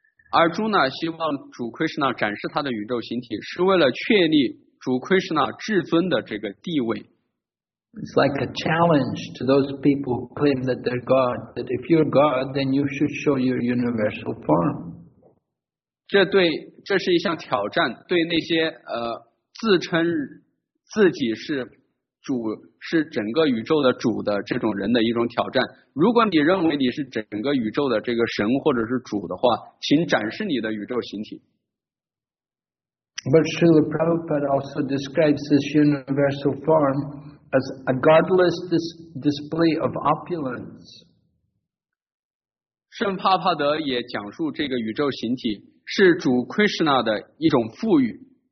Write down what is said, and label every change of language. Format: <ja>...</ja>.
<zh>Arjuna 希望主 Krishna 展示他的宇宙形体，是为了确立主 Krishna 至尊的这个地位。</zh> <en>It's like a challenge to those people who claim that they're God, that if you're God, then you should show your universal form.</en> <zh>这是一项挑战，对那些自称自己是主，是整个宇宙的主的这种人的一种挑战。如果你认为你是整个宇宙的这个神或者是主的话，请展示你的宇宙形体。</zh> <en>But Srila Prabhupada also describes this universal form as a godless display of opulence.</en> <zh>圣帕帕德也讲述这个宇宙形体是主 Krishna 的一种富裕。</zh>